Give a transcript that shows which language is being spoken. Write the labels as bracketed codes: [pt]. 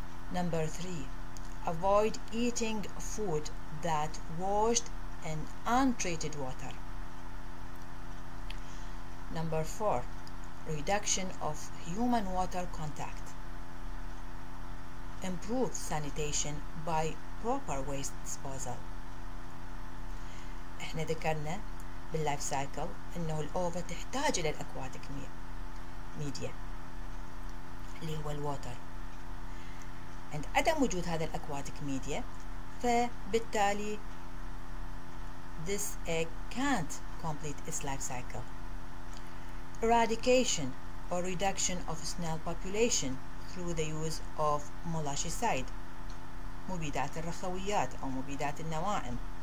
[en] Number three, avoid eating food that washed in untreated water. Number four, reduction of human water contact. Improve sanitation by proper waste disposal. [ar] احنا ذكرنا باللايف سايكل انه الاوفا تحتاج الى الاكواتيك ميديا اللي هو الووتر. عند عدم وجود هذا الاكواتيك ميديا فبالتالي [en] this egg can't complete its life cycle. Eradication or reduction of snail population through the use of molluscicide, [ar] مبيدات الرخويات أو مبيدات النواعم.